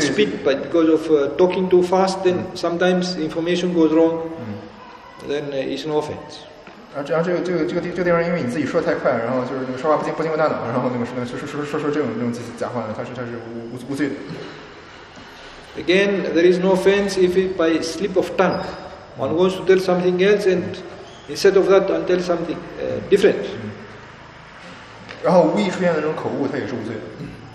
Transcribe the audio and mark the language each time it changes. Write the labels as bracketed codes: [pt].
[en] Speed, but because of talking too fast, then sometimes information goes wrong. Then it's an offense. [zh] 然后这个地方，因为你自己说的太快，然后就是那个说话不经过大脑，然后那个说这种假话呢，它是无罪的。 [en] Again, there is no offense if it by slip of tongue, one wants to tell something else, and instead of that, one tells something different. [zh] 然后无意出现的那种口误，它也是无罪的。